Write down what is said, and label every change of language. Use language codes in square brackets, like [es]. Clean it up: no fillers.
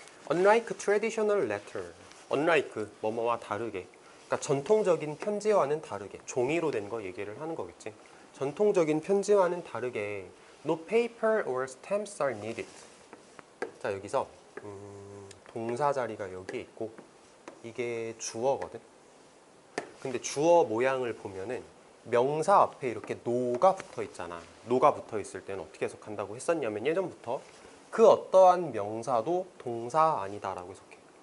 [en] Unlike traditional letter. [ko] Unlike 뭐뭐와 다르게. 그러니까 전통적인 편지와는 다르게 종이로 된 거 얘기를 하는 거겠지. 전통적인 편지와는 다르게 [en] no paper or stamps are needed. [ko] 자, 여기서 동사 자리가 여기 있고 이게 주어거든. 근데 주어 모양을 보면은 명사 앞에 이렇게 no가 붙어 있잖아. no가 붙어 있을 때는 어떻게 해석한다고 했었냐면 예전부터 그 어떠한 명사도 동사 아니다라고 해석해.